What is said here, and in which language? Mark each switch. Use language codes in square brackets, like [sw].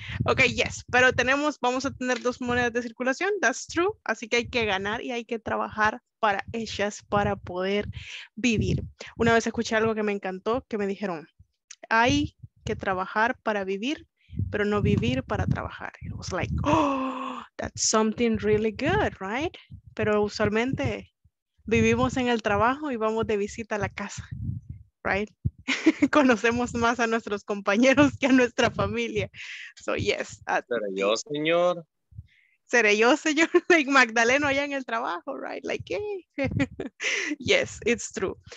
[es] Ok, yes, pero tenemos, vamos a tener dos monedas de circulación, [en] that's true, [es] así que hay que ganar y hay que trabajar para ellas, para poder vivir. Una vez escuché algo que me encantó, que me dijeron, hay que trabajar para vivir, pero no vivir para trabajar. [en] It was like, oh, that's something really good, right? [es] Pero usualmente... vivimos en el trabajo y vamos de visita a la casa, [en] right? [es] Conocemos más a nuestros compañeros que a nuestra familia. [en] So, yes. [es] ¿Seré yo, señor? ¿Seré yo, señor? [en] Like Magdaleno [es] allá en el trabajo, [en] right? Like, hey. Yes, it's true.